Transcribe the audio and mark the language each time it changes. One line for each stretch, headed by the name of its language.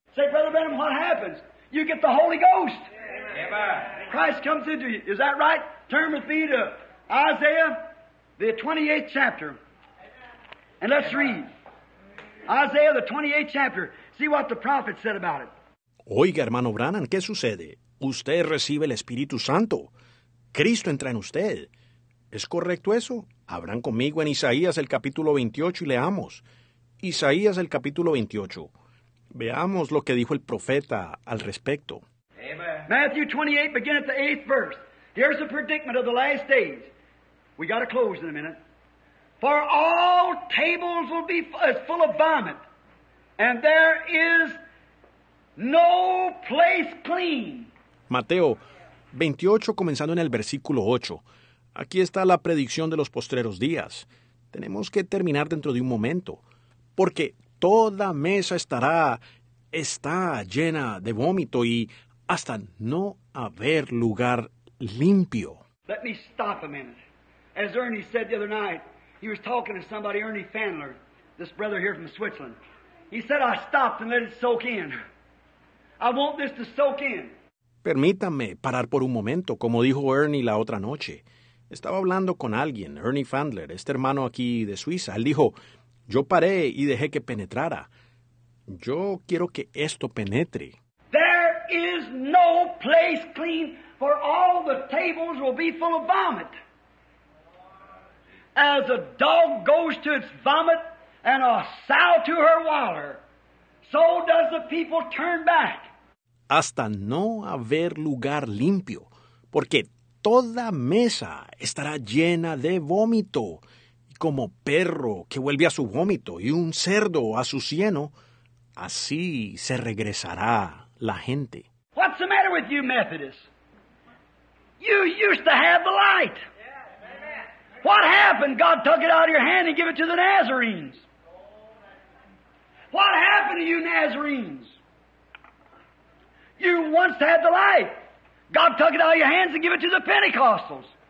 English: Say, Brother Benham, what happens? You get the Holy Ghost. Amen. Christ comes into you. Is that right? Turn with me to Isaiah, the 28th chapter. And let's read. Isaiah, the 28th chapter. See what the prophet said about it.
Spanish: Oiga, hermano Brannan, ¿qué sucede? Usted recibe el Espíritu Santo. Cristo entra en usted. ¿Es correcto eso? Abran conmigo en Isaías, el capítulo 28, y leamos. Isaías, el capítulo 28. Veamos lo que dijo el profeta al respecto.
English: Amen. Matthew 28, begin at the 8th verse. Here's the predicament of the last days. We got to close in a minute. For all tables will be full of vomit, and there is no place clean.
Spanish: Mateo 28, comenzando en el versículo 8. Aquí está la predicción de los postreros días. Tenemos que terminar dentro de un momento. Porque toda mesa está llena de vómito y hasta no haber lugar limpio.
English: Let me stop a minute. As Ernie said the other night, he was talking to somebody, Ernie Fandler, this brother here from Switzerland. He said, I stopped and let it soak in. I want this to soak in.
Spanish: Permítanme parar por un momento, como dijo Ernie la otra noche. Estaba hablando con alguien, Ernie Fandler, este hermano aquí de Suiza. Él dijo, yo paré y dejé que penetrara. Yo quiero que esto penetre.
English: There is no place clean, for all the tables will be full of vomit. As a dog goes to its vomit and a sow to her water, so does the people turn back.
Spanish: Hasta no haber lugar limpio, porque toda mesa estará llena de vómito. Y como perro que vuelve a su vómito y un cerdo a su cieno, así se regresará la gente.
English: What's the matter with you, Methodists? You used to have the light. What happened? God took it out of your hand and gave it to the Nazarenes. What happened to you, Nazarenes? You once had the light. God took it out of your hands and gave it to the Pentecostals.